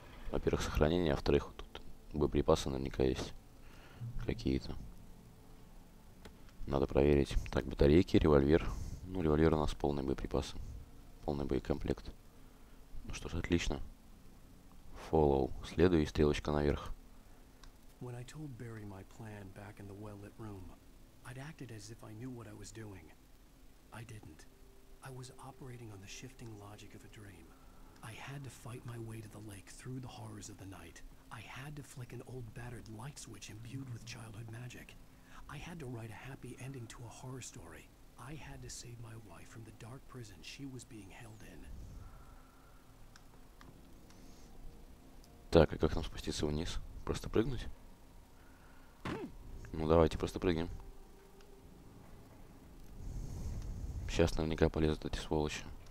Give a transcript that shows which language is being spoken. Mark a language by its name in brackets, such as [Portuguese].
[Russian] Во-первых, сохранение, а во-вторых, тут боеприпасы наверняка есть какие-то. Надо проверить. Так, батарейки, револьвер. Ну, револьвер у нас полный боеприпас. Полный боекомплект. Ну что ж, отлично. [English] Follow. [Russian] Следуй, стрелочка наверх. [English] When I told Barry my plan back in the well-lit room, I'd acted as if I knew what I was doing. I didn't. I was operating on the shifting logic of a dream. I had to fight my way to the lake through the horrors of the night. I had to flick an old battered light switch imbued with childhood magic. I had to write a happy ending to a horror story. I had to save my wife from the dark prison she was being held in. [Russian] Так, а как нам спуститься вниз? Просто прыгнуть? Ну давайте просто прыгнем. Сейчас наверняка полезут эти сволочи.